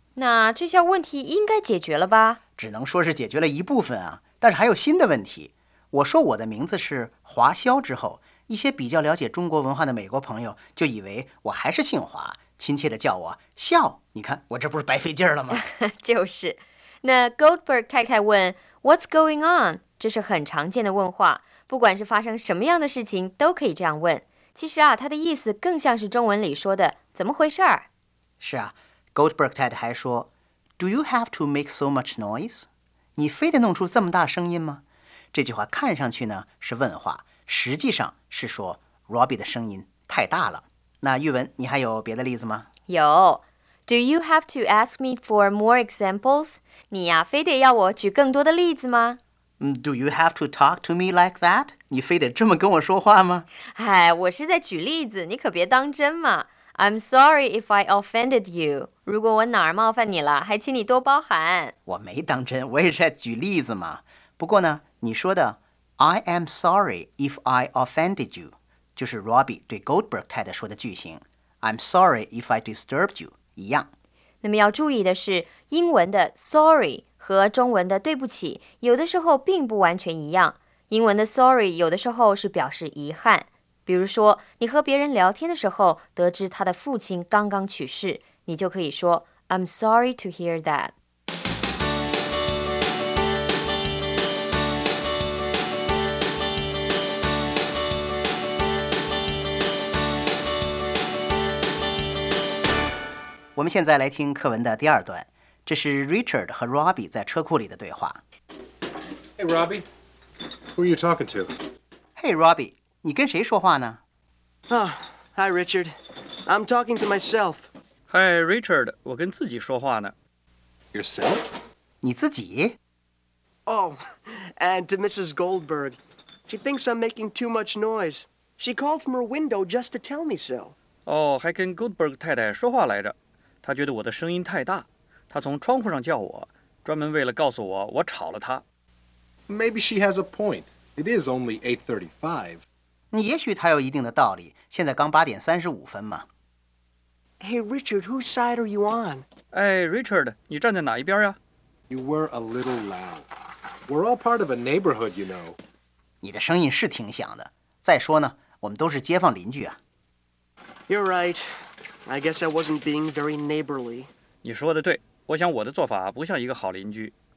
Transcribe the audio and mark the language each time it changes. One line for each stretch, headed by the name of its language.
Chinese: 那这项问题应该解决了吧？只能说是解决了一部分啊，但是还有新的问题。我说我的名字是华笑之后，一些比较了解中国文化的美国朋友就以为我还是姓华，亲切地叫我笑。你看我这不是白费劲了吗？就是。那 Goldberg 太太问
English: What's going on？
Chinese: 这是很常见的问话。不管是发生什么样的事情都可以这样问。其实啊，他的意思更像是中文里说的怎么回事儿。是啊，
English: Goldberg
Chinese: 太太还说
English: Do you have to make so much noise?
Chinese: 你非得弄出这么大声音吗？这句话看上去呢是问话，实际上是说 Robbie 的声音太大了。那玉文，你还有别的例子吗？有。
English: Do you have to ask me for more examples?
Chinese: 你呀，非得要我举更多的例子吗？
English: Do you have to talk to me like that?
Chinese: 你非得这么跟我说话吗？哎，我是在举例子，你可别当真嘛。
English: I'm sorry if I offended you.
Chinese: 如果我哪儿冒犯你了，还请你多包涵。我没当真，我也是在举例子嘛。不过呢，你说的
English: I am sorry if I offended you
Chinese: 就是 Robbie 对 Goldberg 太太说的句型。
English: I'm sorry if I disturbed you
Chinese: 一样。那么要注意的是，英文的 sorry和中文的对不起有的时候并不完全一样。英文的 sorry 有的时候是表示遗憾，比如说你和别人聊天的时候得知他的父亲刚刚去世，你就可以说
English: I'm sorry to hear that。
Chinese: 我们现在来听课文的第二段，这是 Richard 和 Robbie 在车库里的对话。
English: Hey Robbie, who are you talking to? Hey
Chinese: Robbie, 你跟谁说话呢？
English: Hi Richard, I'm talking to myself. Hi
Chinese: Richard, 我跟自己说话呢。
English: Yourself?
Chinese: 你自己？
English: Oh, and to Mrs. Goldberg. She thinks I'm making too much noise. She called from her window just to tell me so. Oh,
Chinese: 还跟 Goldberg 太太说话来着。她觉得我的声音太大。她从窗户上叫我，专门为了告诉我我吵了她。
English: Maybe she has a point. It is only 8:35.
Chinese: 也许她有一定的道理。现在刚8:35嘛。
English: Hey, Richard, whose side are you on? Hey,
Chinese: Richard, 你站在哪一边呀？
English: You were a little loud. We're all part of a neighborhood, you know.
Chinese: 你的声音是挺响的。再说呢，我们都是街坊邻居啊。
English: You're right. I guess I wasn't being very neighborly.
Chinese: 你说的对，我想我的做法不像一个好邻居。